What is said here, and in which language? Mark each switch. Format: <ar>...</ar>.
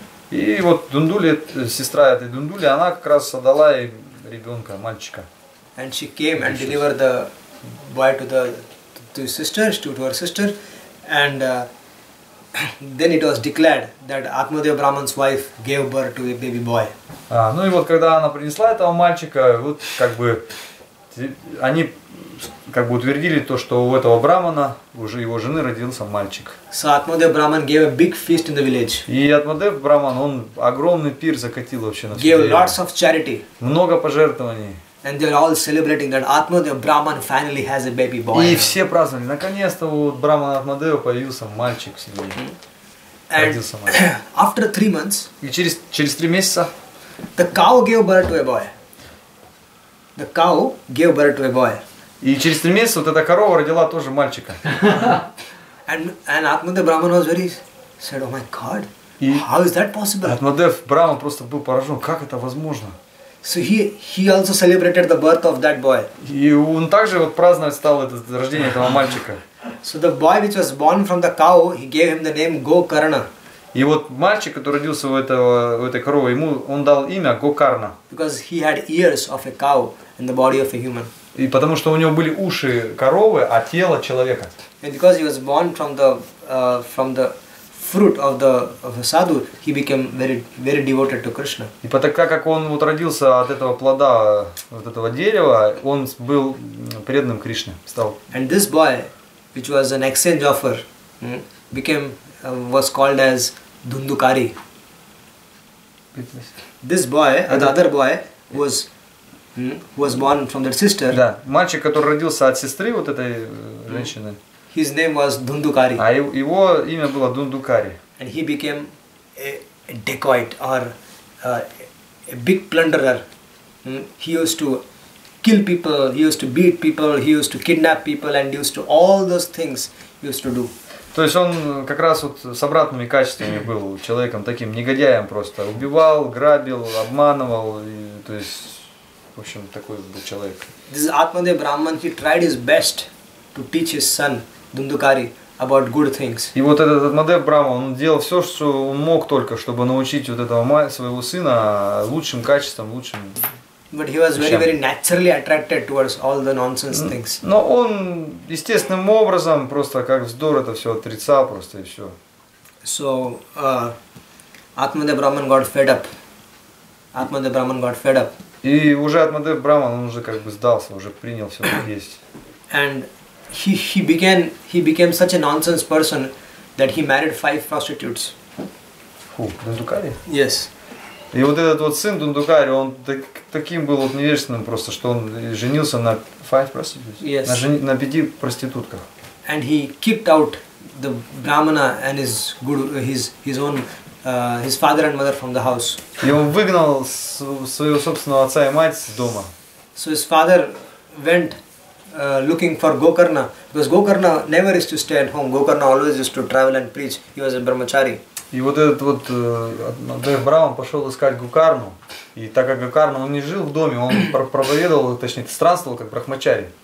<ru>И вот Дундули, сестра этой Дундули, она как раз отдала ей ребенка, мальчика.</ru> <en>And she came and delivered the boy to his sister, to her sister, and then it was declared that Atmadeva Brahman's wife gave birth to a baby boy.</en> <ru>Ну и вот когда она принесла этого мальчика, вот как бы они как бы утвердили то, что у этого брахмана уже его жены родился мальчик.</ru> <en>So Atmadev Brahman gave a big feast in the village.</en> <ru>И Атмадев Брахман, он огромный пир закатил вообще на всю деревню.</ru> <en>Gave lots of charity.</en> <ru>Много пожертвований.</ru> <en>And they were all celebrating that Atmadev Brahman finally has a baby boy.</en> <ru>И все праздновали, наконец-то у брахмана Атмадева появился мальчик в семье. Родился мальчик.</ru> <en>After 3 months.</en> <ru>И через 3 месяца.</ru> <en>The cow gave birth to a boy. The cow gave birth to a boy.</en> <ru>И через 3 месяца вот эта корова родила тоже мальчика.</ru> <en>And Atmadev Brahman was very said, oh my God, how is that possible?</en> <ru>Atmadev Brahman просто был поражен, как это возможно?</ru> <en>So he also celebrated the birth of that boy.</en> <ru>И он также вот праздновать стал это рождение этого мальчика.</ru> <en>So the boy which was born from the cow, he gave him the name Gokarna.</en> <ru>И вот мальчик, который родился у этой коровы, ему он дал имя Гокарна.</ru> <en>Because he had ears of a cow in the body of a human.</en> <ru>И потому что у него были уши коровы, а тело человека.</ru> <en>And because he was born from the fruit of the sadhu, he became very very devoted to Krishna.</en> <ru>И потому как он вот родился от этого плода, вот этого дерева, он был преданным Кришне, стал.</ru> <en>And this boy, which was an exchange offer, became was called as Dhundukari. This boy, the other boy, was was born from their sister.</en> <ru>Да, мальчик, который родился от сестры вот этой женщины.</ru> <en>His name was Dhundukari.</en> <ru>А его имя было Dhundukari.</ru> <en>And he became a dacoit or a big plunderer. He used to kill people, he used to beat people, he used to kidnap people, and used to all those things he used to do.</en> <ru>То есть он как раз вот с обратными качествами был человеком, таким негодяем просто. Убивал, грабил, обманывал, и, то есть, в общем, такой был человек.</ru> <en>This Atmadev Brahman, he tried his best to teach his son, Dhundukari, about good things.</en> <ru>И вот этот Атмадев Брахман, он делал все, что он мог только, чтобы научить вот этого своего сына лучшим качествам, лучшим...</ru> <en>But he was very, very naturally attracted towards all the nonsense things.</en> <ru>Но он естественным образом просто как вздор это все отрицал просто и все.</ru> <en>So Atmadev Brahman got fed up. Atmadev Brahman got fed up.</en> <ru>И уже Atmadev Brahman, он уже как бы сдался, уже принял все как есть.</ru> <en>And he became such a nonsense person that he married 5 prostitutes. Who? Dhundukari? Yes.</en> <ru>И вот этот вот сын Дундукари, он таким был вот невежественным просто, что он женился на 5 prostitutes,</ru> <en>yes.</en> <ru>на 5 проститутках.</ru> <en>And he kicked out the brahmana and his guru, his own his father and mother from the house.</en> <ru>И он выгнал своего собственного отца и мать из дома.</ru> <en>So his father went looking for Gokarna, because Gokarna never used to stay at home. Gokarna always used to travel and preach. He was a brahmachari.</en> <ru>И вот этот вот Атмадев Брахман пошел искать Гокарну, и так как Гокарна, он не жил в доме, он проповедовал, точнее, странствовал как брахмачари.</ru>